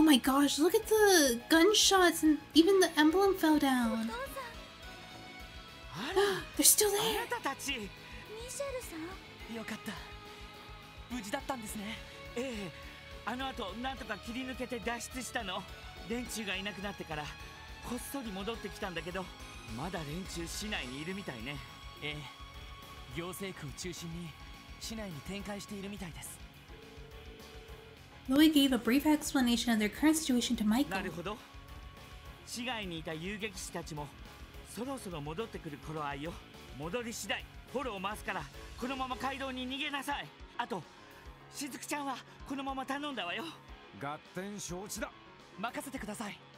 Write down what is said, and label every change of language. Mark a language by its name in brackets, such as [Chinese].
[English] my gosh, look at the gunshots and even the emblem fell down. They're still there. [Japanese] あなたたち、ミシェルさん。よかった。無事だったんですね。ええ。あの後なんとか切り抜けて脱出したの。電柱がいなくなってからこっそり戻ってきたんだけど、まだ電柱市内にいるみたいね。ええ。行政区を中心に市内に展開しているみたいです。Louis [English] gave a brief explanation of their current situation to Michael. [Japanese] なるほど。市外にいた遊撃士たちもそろそろ戻ってくる頃合いよ。戻り次第フォロー回すから、このまま街道に逃げなさい。あと、しずくちゃんはこのまま頼んだわよ。合点承知だ。任せてください。